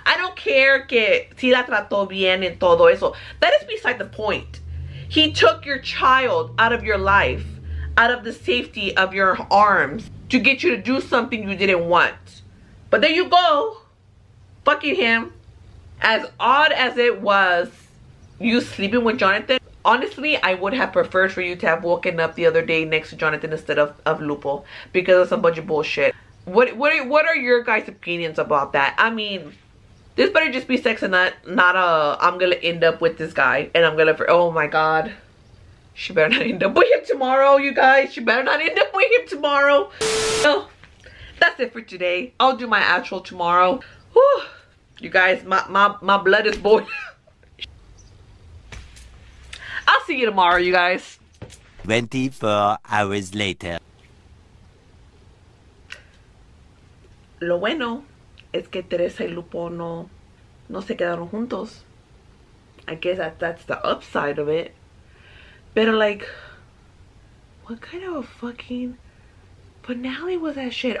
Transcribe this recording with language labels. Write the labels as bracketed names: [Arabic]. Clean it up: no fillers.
[English] I don't care [Spanish] que si la trató bien en todo eso. [English] That is beside the point. He took your child out of your life, out of the safety of your arms, to get you to do something you didn't want. But there you go, fucking him. As odd as it was, you sleeping with Jonathan, honestly, I would have preferred for you to have woken up the other day next to Jonathan instead of Lupo, because of some bunch of bullshit. What are your guys' opinions about that? I mean, this better just be sex and not I'm gonna end up with this guy and I'm gonna, oh my God. She better not end up with him tomorrow, you guys. She better not end up with him tomorrow. So, that's it for today. I'll do my actual tomorrow. Whew. You guys, my blood is boiling. I'll see you tomorrow, you guys. 24 hours later. [Spanish] Lo bueno es que Teresa y Lupo no se quedaron juntos. [English] I guess that's the upside of it. But like, what kind of a fucking finale was that shit?